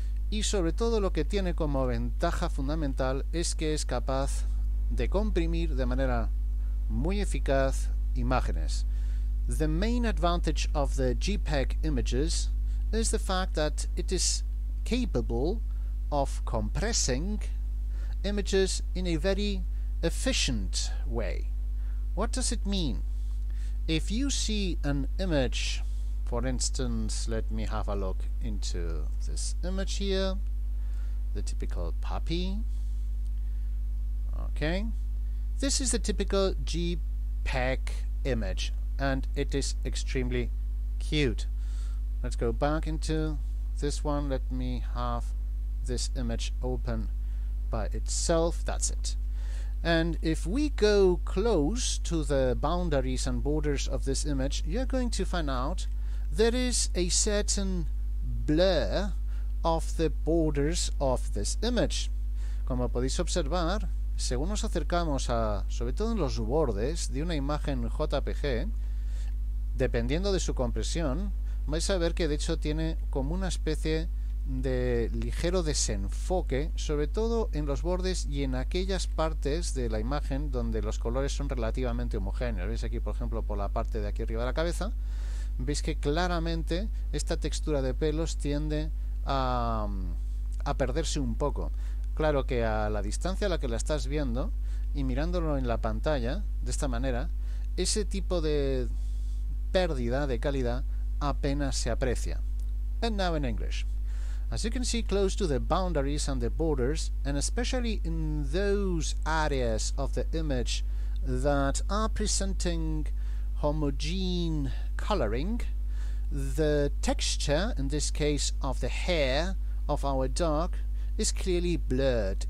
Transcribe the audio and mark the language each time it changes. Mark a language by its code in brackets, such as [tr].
[es] Y sobre todo lo que tiene como ventaja fundamental es que es capaz de comprimir de manera muy eficaz imágenes. [en] The main advantage of the JPEG images is the fact that it is capable of compressing images in a very efficient way. What does it mean? If you see an image, for instance, let me have a look into this image here, the typical puppy. Okay, this is the typical JPEG image, and it is extremely cute. Let's go back into this one. Let me have this image open by itself. That's it. And if we go close to the boundaries and borders of this image, you're going to find out there is a certain blur of the borders of this image. [es] Como podéis observar, según nos acercamos a, sobre todo en los bordes de una imagen JPG, dependiendo de su compresión, vais a ver que de hecho tiene como una especie de ligero desenfoque, sobre todo en los bordes y en aquellas partes de la imagen donde los colores son relativamente homogéneos. Veis aquí, por ejemplo, por la parte de aquí arriba de la cabeza, veis que claramente esta textura de pelos tiende a perderse un poco. Claro que a la distancia a la que la estás viendo y mirándolo en la pantalla de esta manera, ese tipo de pérdida de calidad apenas se aprecia. [en] And now in English. As you can see, close to the boundaries and the borders, and especially in those areas of the image that are presenting homogene coloring, the texture, in this case of the hair of our dog, is clearly blurred.